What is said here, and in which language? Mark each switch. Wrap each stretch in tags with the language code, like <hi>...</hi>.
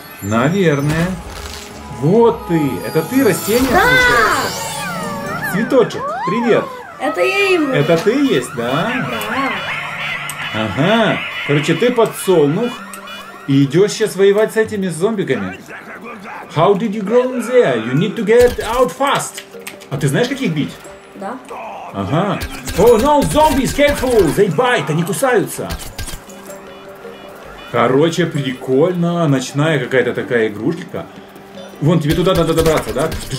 <ru>Наверное. Вот ты. Это ты растение? Да! Цветочек, привет. Это я ему. Это ты есть, да? Да. Ага. Короче, ты подсолнух. И идешь сейчас воевать с этими зомбиками.</ru> <en>How did you grow in there? You need to get out fast. А ты знаешь, как их бить?</en> <ru>Да. Ага.</ru> <en>Oh no, zombies, careful, they bite,</en> <ru>они кусаются. Короче, прикольно, ночная какая-то такая игрушечка. Вон, тебе туда надо добраться, да?</ru>